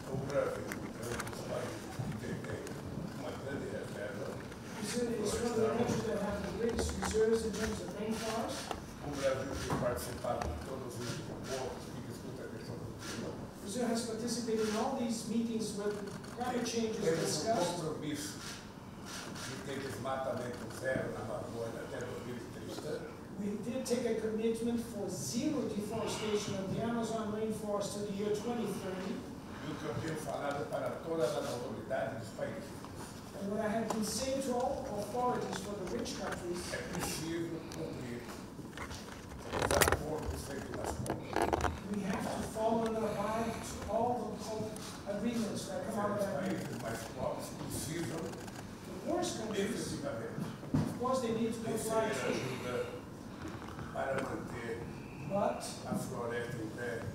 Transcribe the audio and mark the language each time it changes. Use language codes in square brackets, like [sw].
[pt] O Brasil é um dos países que tem uma grande reserva. [en] It's one of the countries that have the greatest reserves in terms of rainforest. [pt] O Brasil tem participado em todos os encontros que discutem a questão do clima. [en] Brazil has participated in all these meetings with climate changes discussed. [pt] Temos um compromisso de ter desmatamento zero na Amazônia até 2030. [en] We did take a commitment for zero deforestation of the Amazon rainforest to the year 2030. [pt] E o que eu tenho falado para todas as autoridades dos países. [en] And what I have been saying to all authorities for the rich countries. [pt] É preciso cumprir os acordos feitos nas contas. [en] We have to follow and abide to all the agreements that come out of that. [pt] Países mais pobres precisam. [en] The poorest countries. Of course, they need to do science. But [pt] a floresta em pé.